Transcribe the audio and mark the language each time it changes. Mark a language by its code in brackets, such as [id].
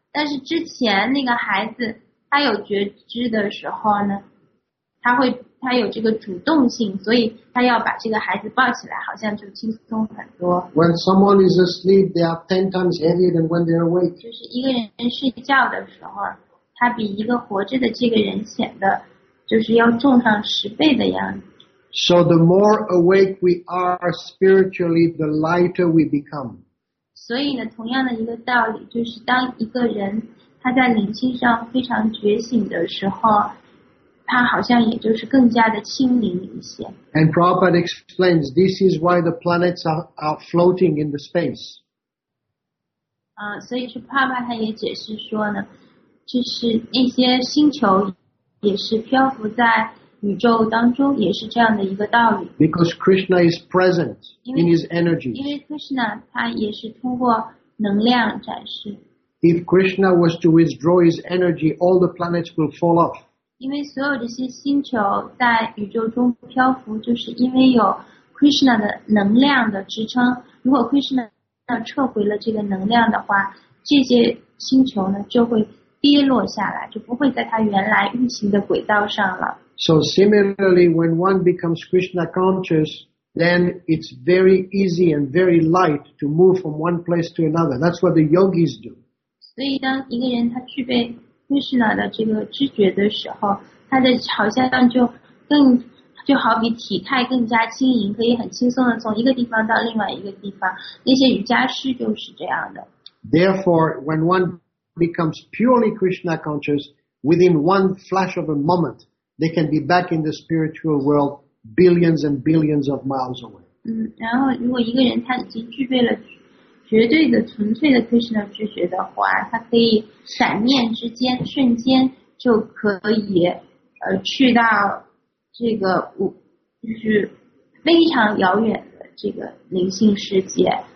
[zh] 但是之前那个孩子他有觉知的时候呢，他有这个主动性，所以他要把这个孩子抱起来，好像就轻松很多。 [en] When someone is asleep, they are 10 times heavier than when they're awake. [zh] 就是一个人睡觉的时候，他比一个活着的这个人显得就是要重上10倍的样子。 [en] So the more awake we are spiritually, the lighter we become. [zh] 所以呢，同样的一个道理，就是当一个人他在灵性上非常觉醒的时候。它好像也就是更加的轻盈一些。 [en] And Prabhupada explains, this is why the planets are floating in the space. [zh] 所以是 Prabhupada 也解释说呢，就是那些星球也是漂浮在宇宙当中，也是这样的一个道理。 [en] Because Krishna is present in his energy. [zh] 因为 Krishna 他也是通过能量展示。 [en] If Krishna was to withdraw his energy, all the planets will fall off. [zh] 因为所有这些星球在宇宙中漂浮，就是因为有 Krishna 的能量的支撑。如果 Krishna 撤回了这个能量的话，这些星球呢就会跌落下来，就不会在它原来运行的轨道上了。 [en] So similarly, when one becomes Krishna conscious, then it's very easy and very light to move from one place to another. That's what the yogis do. [zh] 所以当一个人他具备Krishna 的这个知觉的时候，他的好像就好比体态更加轻盈，可以很轻松的从一个地方到另外一个地方。那些瑜伽师就是这样的。 [en] Therefore, when one becomes purely Krishna conscious, within one flash of a moment, they can be back in the spiritual world billions and billions of miles away. [zh] 然后如果一个人他已经具备了绝对的纯粹的 Krishna 知觉的话，他可以闪念之间瞬间就可以去到这个就是非常遥远的这个灵性世界。